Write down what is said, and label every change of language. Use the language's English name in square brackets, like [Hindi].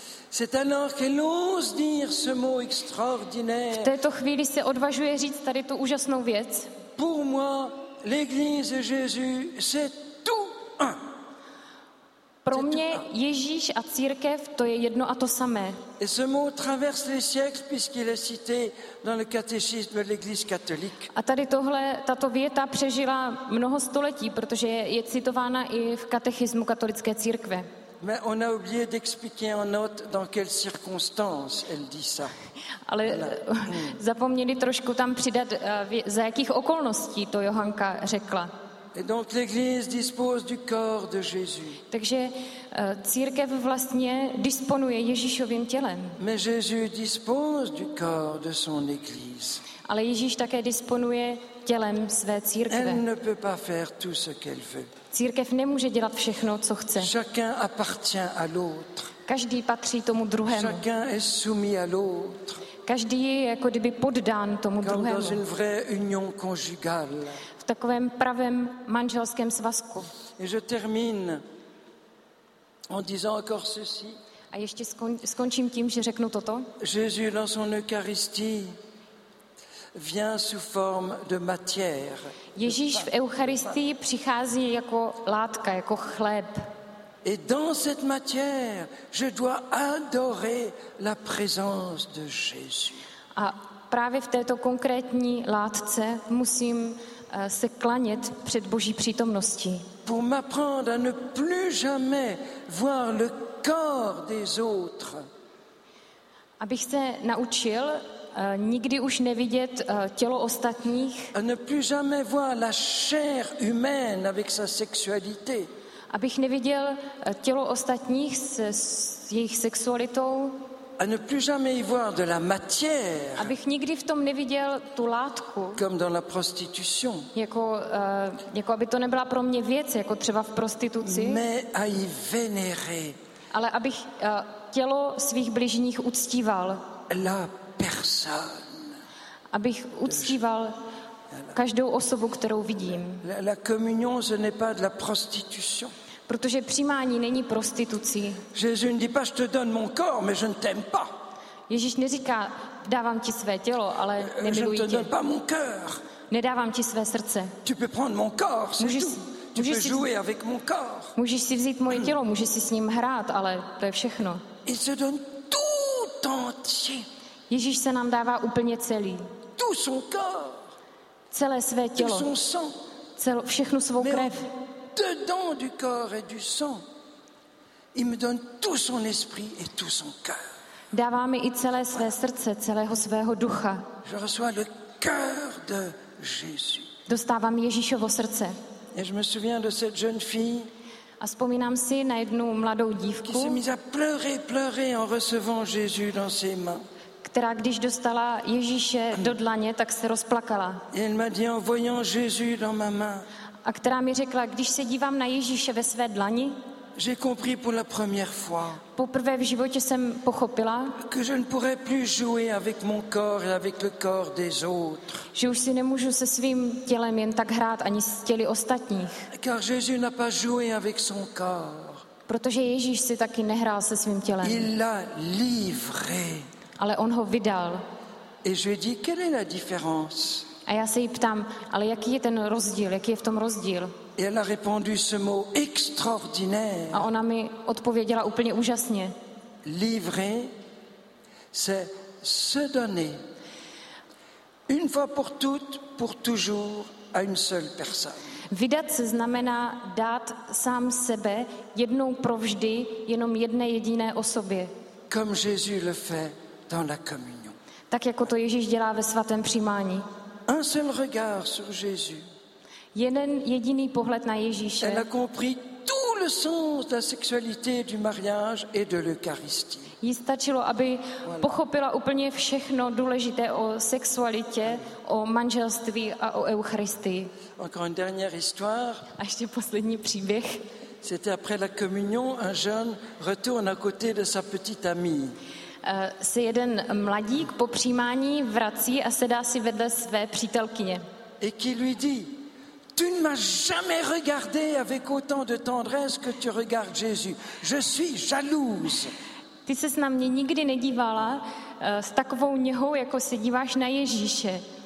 [French] C'est alors qu'elle ose dire ce mot extraordinaire. [Czech] V této chvíli se odvažuje říct tady tu úžasnou věc. [French] Pour moi, l'Église et Jésus, c'est tout un. [Czech] Pro mě Ježíš a církev to je jedno a to samé. [French] Et ce mot traverse les siècles puisqu'il est cité dans le catéchisme de l'Église catholique. [Czech] A tady tohle tato věta přežila mnoho století, protože je citována i v katechismu katolické církve. [French] Mais on a oublié d'expliquer en note dans quelles circonstances elle dit ça. [Czech] Ale zapomněli trošku tam přidat za jakých okolností to Johanka řekla. [French] Et donc l'Église dispose du corps de Jésus. [Czech] Takže církev vlastně disponuje Ježíšovým tělem. [French] Mais Jésus dispose du corps de son Église. [Czech] Ale Ježíš také disponuje tělem své církve. [French] Elle ne peut pas faire tout ce qu'elle veut. [Czech] Církev nemůže dělat všechno, co chce. [French] Chacun appartient à l'autre. [Czech] Každý patří tomu druhému. [French] Chacun est soumis à l'autre. [Czech] Každý je jako kdyby poddán tomu [French] comme [Czech] druhému. [French] Dans une vraie union conjugale. [Czech] V takovém pravém manželském svazku. [French] Et je termine en disant encore ceci. [Czech] A ještě skončím tím, že řeknu toto. [French] Jésus dans son Eucharistie vient sous forme de matière. [Czech] Ježíš v Eucharistii přichází jako látka, jako chléb. [French] Et dans cette matière, je dois adorer la présence de Jésus. [Czech] A právě v této konkrétní látce musím se klanět před Boží přítomností. [French] Pour m'apprendre à ne plus jamais voir le corps des autres. [Czech] Abych se naučil nikdy už nevidět tělo ostatních. [French] À ne plus jamais voir la chair humaine avec sa sexualité. [Czech] Abych neviděl tělo ostatních s jejich sexualitou. [French] À ne plus jamais y voir de la matière. [Czech] Abych nikdy v tom neviděl tu látku. [French] Comme dans la prostitution. [Czech] Jako aby to nebyla pro mě věc, jako třeba v prostituci. [French] Mais à y vénérer. [Czech] Ale abych tělo svých bližních uctíval. [French] La personne. [Czech] Abych uctíval každou osobu, kterou vidím. [French] La communion, ce n'est pas de la prostitution. [Czech] Protože přijímání není prostitucí. [French] Jésus ne dit pas, je te donne mon corps, mais je ne t'aime pas. [Czech] Ježíš neříká, dávám ti své tělo, ale nemiluji tě. [French] Je ne te donne pas mon cœur. [Czech] Nedávám ti své srdce. [French] Tu peux prendre mon corps, c'est tout. Tu peux jouer avec mon corps. [Czech] Můžeš si vzít moje tělo, můžeš si s ním hrát, ale to je všechno. [French] Il se donne tout entier. [Czech] Ježíš se nám dává úplně celý. [French] Tout son corps. [Czech] Celé své tělo. [French] Tout son sang. [Czech] Všechnu svou krev. [French] Dedans du corps et du sang, il me donne tout son esprit et tout son cœur. [Czech] Dává mi i celé své srdce, celého svého ducha. [French] Je reçois le cœur de Jésus. [Czech] Dostávám Ježíšovo srdce. [French] Et je me souviens de cette jeune fille. [Czech] A vzpomínám si na jednu mladou dívku. [French] Qui s'est mise à pleurer en recevant Jésus dans ses mains. [Czech] Která když dostala Ježíše do dlaně, tak se rozplakala. [French] Et elle m'a dit en voyant Jésus dans ma main. [Czech] A která mi řekla, když se dívám na Ježíše ve své dlani, [French] j'ai compris pour la première fois, [Czech] poprvé v životě jsem pochopila, [French] que je ne pourrais plus jouer avec mon corps et avec le corps des autres. [Czech] Že už si nemůžu se svým tělem jen tak hrát ani s těly ostatních. [French] Car Jésus n'a pas joué avec son corps. [Czech] Protože Ježíš si taky nehrál se svým tělem. [French] Il l'a livré. [Czech] Ale on ho vydal. [French] Et je lui dis, quelle est la différence? [Czech] A já se jí ptám, ale jaký je ten rozdíl, jaký je v tom rozdíl? [French] Et elle a répondu ce mot extraordinaire. [Czech] A ona mi odpověděla úplně úžasně. [French] Livrer, c'est se donner une fois pour toutes, pour toujours, à une seule personne. [Czech] Vydat se znamená dát sám sebe jednou provždy, jenom jedné jediné osobě. [French] Comme Jésus le fait dans la communion. [Czech] Tak jako to Ježíš dělá ve svatém přijímání. [French] Un seul regard sur Jésus. [Czech] Jeden jediný pohled na Ježíše. [French] Elle a compris tout le sens de la sexualité du mariage et de l'Eucharistie. [Czech] Jí stačilo, aby voilà. Pochopila úplně všechno důležité o sexualitě, o manželství a o Eucharistii. [French] Encore une dernière histoire. [Czech] A ještě poslední příběh. [French] C'était après la communion, un jeune retourne à côté de sa petite amie. [Czech] Se jeden mladík po přijímání vrací a sedá si vedle své přítelkyně. [French] Et qui lui dit, tu ne m'as jamais regardé avec autant de tendresse que tu regardes Jésus. Je suis jalouse. [Czech] Ty ses na mě nikdy nedívala s takovou něhou, jako se díváš na Ježíše.